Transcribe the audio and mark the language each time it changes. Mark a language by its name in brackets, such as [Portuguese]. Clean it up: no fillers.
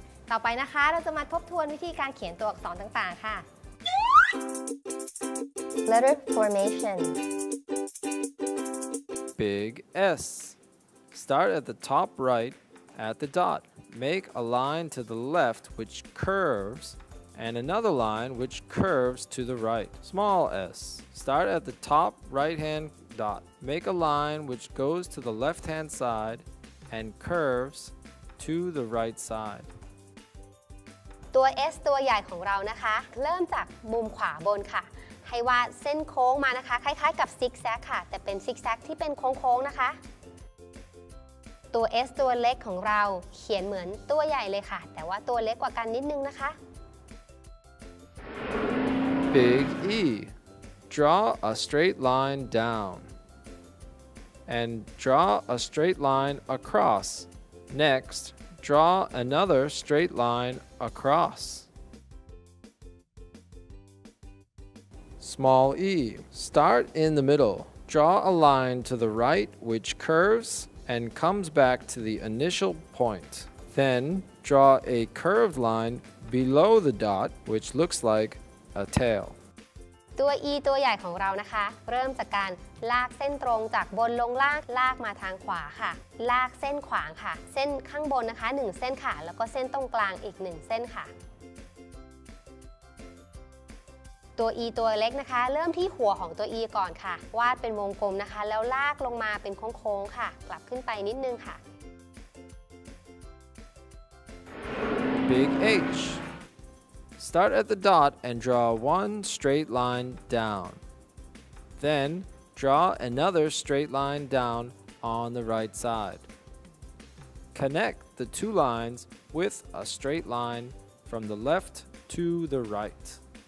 [Thai] ต่อไปนะคะเราจะมาทบทวนวิธีการเขียนตัวอักษรต่างๆค่ะ [English] Letter formation. Big S. Start at the top right at the dot. Make a line to the left which curves and another line which curves to the right. Small s. Start at the top right-hand dot. Make a line which goes to the left-hand side and curves to the right side. [Thai] ตัว S ตัวใหญ่ของเรานะคะเริ่มจากมุมขวาบนค่ะให้วาดเส้นโค้งมานะคะคล้ายๆกับซิกแซกค่ะแต่เป็นซิกแซกที่เป็นโค้งๆนะคะตัว S ตัวเล็กของเราเขียนเหมือนตัวใหญ่เลยค่ะแต่ว่าตัวเล็กกว่ากันนิดนึงนะคะ [English] Big E Draw a straight line down and draw a straight line across. Next, draw another straight line across. Small e. Start in the middle. Draw a line to the right which curves and comes back to the initial point. Then draw a curved line below the dot which looks like a tail. [Thai] ตัว E ตัวใหญ่ของเรานะคะเริ่มจากการลากเส้นตรงจากบนลงล่างลากมาทางขวาค่ะลากเส้นขวางค่ะเส้นข้างบนนะคะ1เส้นค่ะแล้วก็เส้นตรงกลางอีก1เส้นค่ะตัว E ตัวเล็กนะคะเริ่มที่หัวของตัว E ก่อนค่ะวาดเป็นวงกลมนะคะแล้วลากลงมาเป็นโค้งๆค่ะกลับขึ้นไปนิดนึงค่ะ [English] Big HStart at the dot and draw one straight line down. Then draw another straight line down on the right side. Connect the two lines with a straight line from the left to the right.